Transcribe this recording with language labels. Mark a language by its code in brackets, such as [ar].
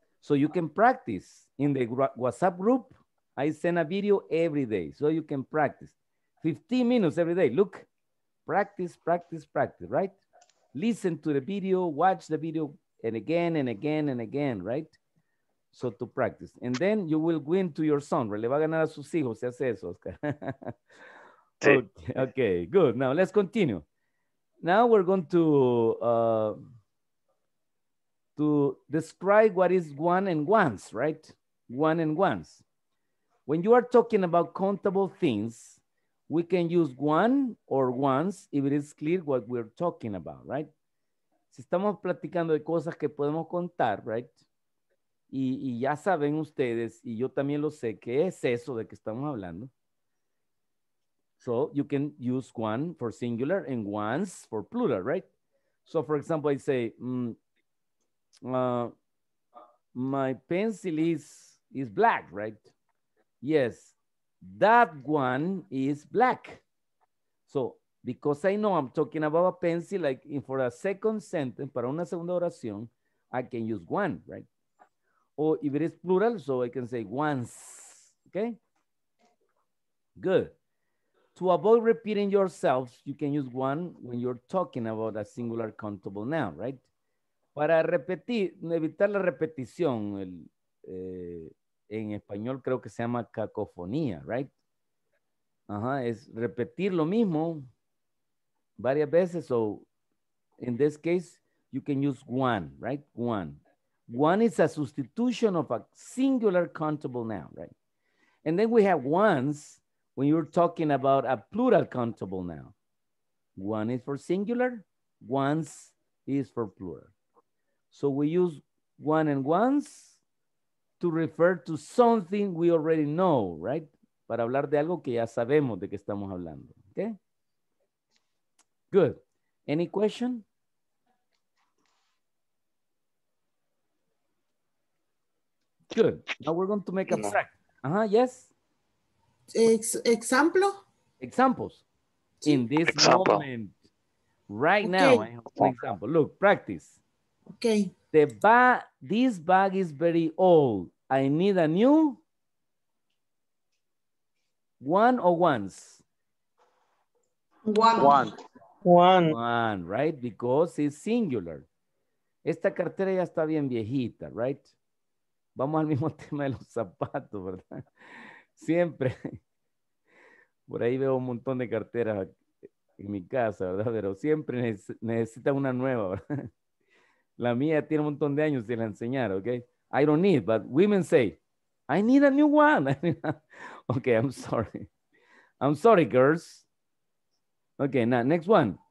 [en] So you can practice in the WhatsApp group. I send a video every day, so you can practice. 15 minutes every day. Look, practice, right? Listen to the video, watch the video, and again and again and again, right? So to practice. And then you will win to your son. [es] Le va a ganar a sus hijos, se hace eso, Oscar. Sí. [en] Okay, good. Now let's continue. Now we're going to describe what is one and ones, right? One and ones. When you are talking about countable things, we can use one or ones if it is clear what we're talking about, right? [es] Si estamos platicando de cosas que podemos contar, right? Y ya saben ustedes, y yo también lo sé, ¿qué es eso de que estamos hablando? [en] So you can use one for singular and ones for plural, right? So for example, I say, my pencil is black, right? Yes. That one is black. So, because I know I'm talking about a pencil, like for a second sentence, [es] para una segunda oración, [en] I can use one, right? Or if it is plural, so I can say once, okay? Good. To avoid repeating yourselves, you can use one when you're talking about a singular countable noun, right? [es] Para repetir, evitar la repetición, en español creo que se llama cacofonía, right? Ajá, es repetir lo mismo varias veces. [en] So, in this case, you can use one, right? One. One is a substitution of a singular countable noun, right? And then we have ones when you're talking about a plural countable noun. One is for singular, ones is for plural. So we use one and ones to refer to something we already know, right? [es] Para hablar de algo que ya sabemos de que estamos hablando, okay? [en] Good. Any question? Good. Now we're going to make a track. Uh-huh, yes? Example? Examples. In this example. Moment. Right okay. Now, for example. Look, practice. Okay. This bag is very old. I need a new one or ones? One, right? Because it's singular. [es] Esta cartera ya está bien viejita, right? Vamos al mismo tema de los zapatos, ¿verdad? Siempre. Por ahí veo un montón de carteras en mi casa, ¿verdad? Pero siempre necesita una nueva, ¿verdad? La mía tiene un montón de años de la enseñar, ¿ok? [en] I don't need, but women say, I need a new one. Okay, I'm sorry. I'm sorry, girls. Okay, now, next one.